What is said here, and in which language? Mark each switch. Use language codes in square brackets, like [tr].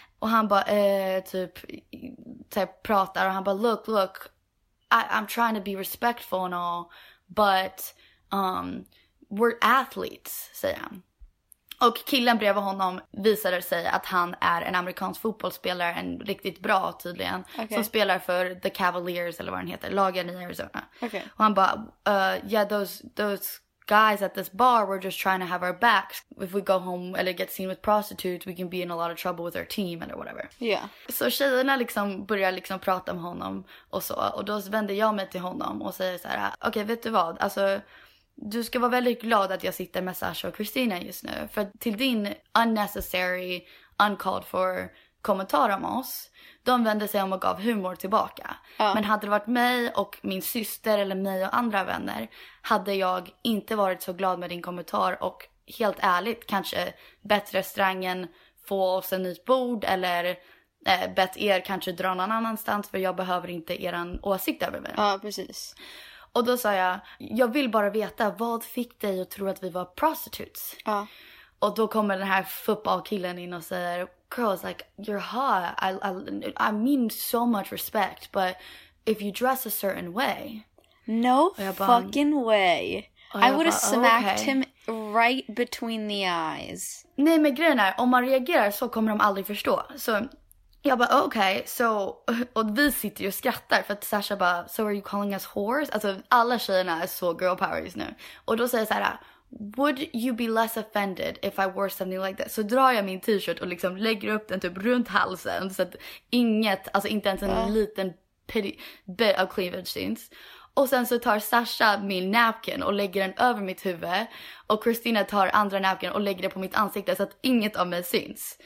[sv] Och han bara, typ pratar och han bara, [en] look, I'm trying to be respectful and all, but we're athletes, [sv] säger han. Och killen bredvid honom visade sig att han är en amerikansk fotbollsspelare, en riktigt bra tydligen, okay. Som spelar för The Cavaliers eller vad den heter, lagen i Arizona. [en] Okay. [sv] Och han bara, [en] yeah, those guys at this bar were just trying to have our backs. If we go home eller get seen with prostitutes, we can be in a lot of trouble with our team eller whatever. Yeah. [sv] Så tjejerna liksom börjar liksom prata med honom och så. Och då vänder jag mig till honom och säger så här, okej, vet du vad, alltså... Du ska vara väldigt glad att jag sitter med Sasha och Christina just nu. För till din [en] unnecessary, uncalled for [sv] kommentar om oss. De vände sig om och gav humor tillbaka. Ja. Men hade det varit mig och min syster eller mig och andra vänner. Hade jag inte varit så glad med din kommentar. Och helt ärligt, kanske bett restaurangen få oss en nytt bord. Eller bett er kanske dra någon annanstans. För jag behöver inte er åsikt över mig. Ja, precis. Och då sa jag vill bara veta, vad fick dig att tro att vi var prostitutes? Ja. Och då kommer den här fotbollkillen in och säger, [en] girls, like, you're hot. I mean so much respect, but if you dress a certain way... No bara, fucking way. I would have smacked him right between the eyes. [sv] Nej, men grejen är, om man reagerar så kommer de aldrig förstå. Så... Jag bara, okej, så... Och vi sitter ju och skrattar för att Sasha bara... [en] So are you calling us whores? [sv] Alltså, alla tjejerna är så girl power just nu. Och då säger jag så här... [en] Would you be less offended if I wore something like that? [sv] Så drar jag min t-shirt och liksom lägger upp den typ runt halsen. Så att inget, alltså inte ens en liten bit av cleavage syns. Och sen så tar Sasha min napkin och lägger den över mitt huvud. Och Christina tar andra napkin och lägger det på mitt ansikte så att inget av mig syns.